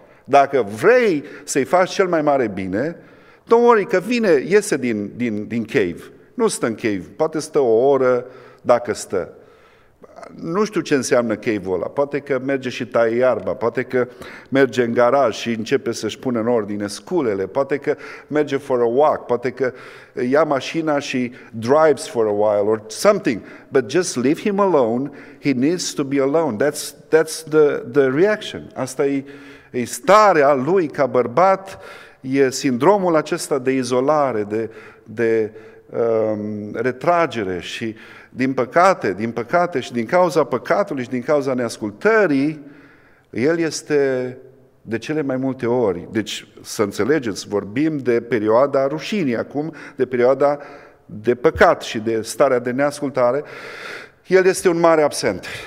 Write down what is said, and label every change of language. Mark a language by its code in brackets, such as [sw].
[ro] Dacă vrei să-i faci cel mai mare bine, [en] don't worry, [ro] că vine, iese din cave. Nu stă în cave, poate stă o oră dacă stă. nu știu ce înseamnă cave-ul ăla. Poate că merge și taie iarba, poate că merge în garaj și începe să-și pune în ordine sculele, poate că merge [en] for a walk, [ro] poate că ia mașina și [en] drives for a while or something. But just leave him alone, he needs to be alone. That's the reaction. [ro] Asta e starea lui ca bărbat, e sindromul acesta de izolare, de retragere și din păcate și din cauza păcatului și din cauza neascultării, el este de cele mai multe ori, deci să înțelegeți, vorbim de perioada rușinii acum, de perioada de păcat și de starea de neascultare, el este un mare absent.